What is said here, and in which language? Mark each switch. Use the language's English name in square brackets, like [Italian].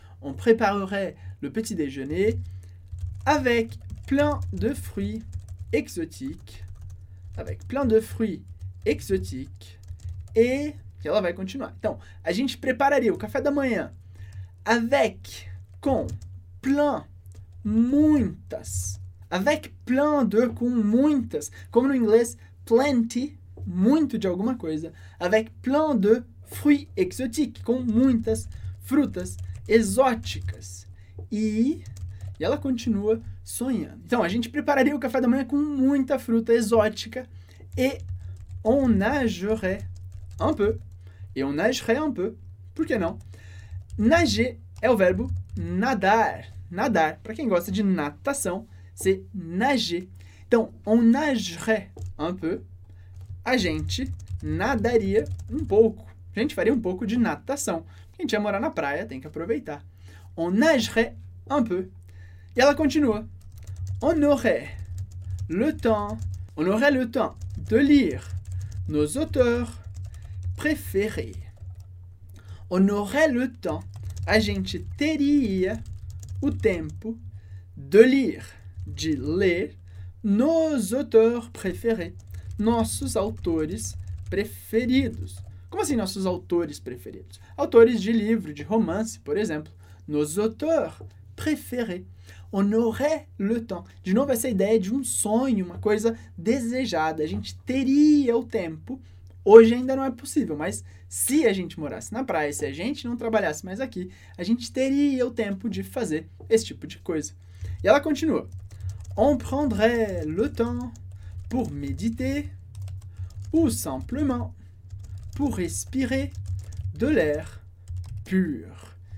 [French] On préparerait le petit déjeuner avec plein de fruits exotiques, avec plein de fruits exotiques, et [Portuguese] ela vai continuar. Então, a gente prepararia o café da manhã avec, com, plein, muitas, [French] avec plein de, [Portuguese] com muitas, como no inglês, plenty, muito de alguma coisa, [French] avec plein de fruits exotiques, [Portuguese] com muitas frutas exóticas. E ela continua sonhando. Então, a gente prepararia o café da manhã com muita fruta exótica e [French] on nagerait un peu. Et on nagerait un peu. [Portuguese] Por que não? Nager é o verbo nadar. Nadar. Para quem gosta de natação, [French] c'est nager. [Portuguese] Então, [French] on nagerait un peu, [Portuguese] a gente nadaria um pouco. A gente faria um pouco de natação. Quem tinha morar na praia tem que aproveitar. [French] On nagerait un peu. [Portuguese] E ela continua. [French] On aurait le temps de lire nos auteurs préférés. On aurait le temps, [Portuguese] a gente teria o tempo de lire, de ler, [French] nos auteurs préférés, [Portuguese] nossos autores preferidos. Como assim nossos autores preferidos? Autores de livro, de romance, por exemplo. [French] Nos auteurs préférés. On aurait le temps. [Portuguese] De novo, essa ideia de um sonho, uma coisa desejada. A gente teria o tempo. Hoje ainda não é possível, mas se a gente morasse na praia, se a gente não trabalhasse mais aqui, a gente teria o tempo de fazer esse tipo de coisa. E ela continua. [French] On prendrait le temps pour méditer ou simplement pour respirer de l'air pur.